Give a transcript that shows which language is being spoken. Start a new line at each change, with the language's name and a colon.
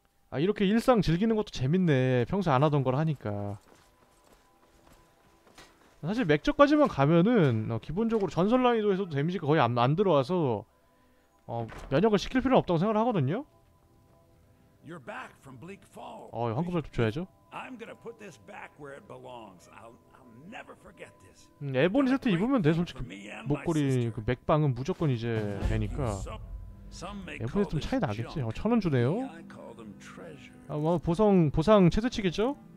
Korean: 아, 이렇게 일상 즐기는 것도 재밌네. 평소 안 하던 걸 하니까. 사실 맥저까지만 가면은 어, 기본적으로 전설 난이도에서도 데미지가 거의 안 들어와서 어, 면역을 시킬 필요는 없다고 생각을 하거든요. 어, 한꺼번에 좀 줘야죠.
English: I'm gonna put this back where it belongs. I'll never forget this.
Korean: 에보니 세트 입으면 돼. 솔직히 목걸이 그 맥방은 무조건 이제 되니까. 에보니 세트 좀 차이 나겠지. 어, 천원 주네요. 아, 뭐 보상 최대치겠죠?